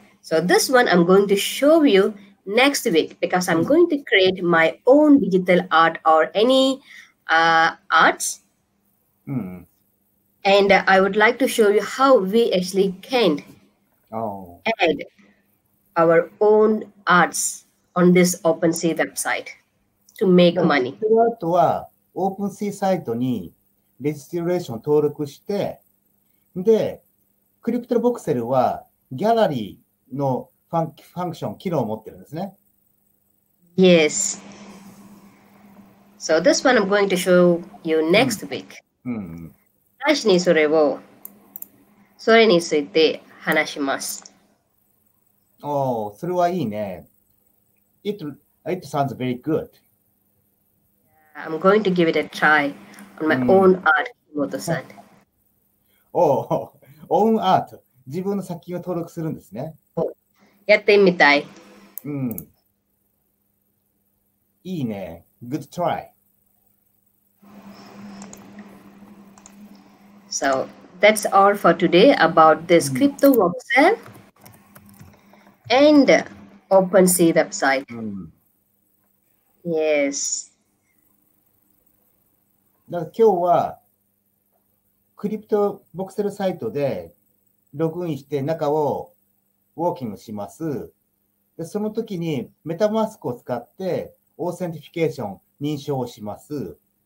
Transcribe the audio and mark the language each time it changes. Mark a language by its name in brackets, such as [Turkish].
[English] So this one I'm going to show you next week because I'm going to create my own digital art or any、arts.、 Mm. And I would like to show you how we actually can、 oh. add our own arts on this OpenSea website to make money. [Japanese] オープンシーサイトにレジストレーション登録して、で、クリプトボクセルはギャラリーのファンクション、機能を持ってるんですね。 [English] Yes. So this one I'm going to show you next week. うん。 [Japanese] 最初にそれについて話します。おー、それはいいね。 [English] It sounds very good. I'm going to give it a try on my、mm. own art, Kimoto-san. Oh, own art. [Japanese] 自分の作品を登録するんですね。やってみたい。うん。いいね。 [English] Good try. So, that's all for today about this CryptoVoxel and OpenSea website.、 Mm. Yes. [Japanese] だから今日はクリプトボクセルサイトでログインして中をウォーキングします。でその時にメタマスクを使ってオーセンティフィケーション認証をします。